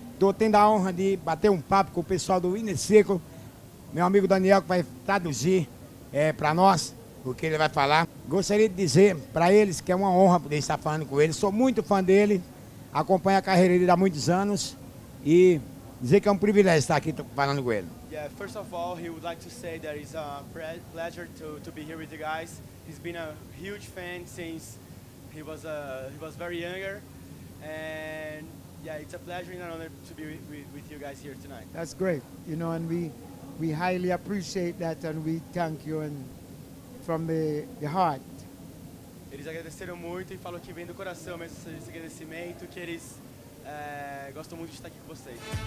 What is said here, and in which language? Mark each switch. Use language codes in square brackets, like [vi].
[pt] Estou tendo a honra de bater um papo com o pessoal do Inesico, meu amigo Daniel, que vai traduzir para nós o que ele vai falar. Gostaria de dizer para eles que é uma honra poder estar falando com eles. Sou muito fã dele, acompanho a carreira dele há muitos anos e dizer que é um privilégio estar aqui falando com ele. [en] Yeah, first of all, he would like to say that it's a pleasure to be here with you guys. He's been a huge fan since he was very younger, and yeah, it's a pleasure and an honor to be with you guys here tonight. That's great, you know, and we highly appreciate that, and we thank you and from the heart. [pt] Eles agradeceram muito e falou que vem do coração mesmo esse agradecimento, que eles gostam muito de estar aqui com vocês.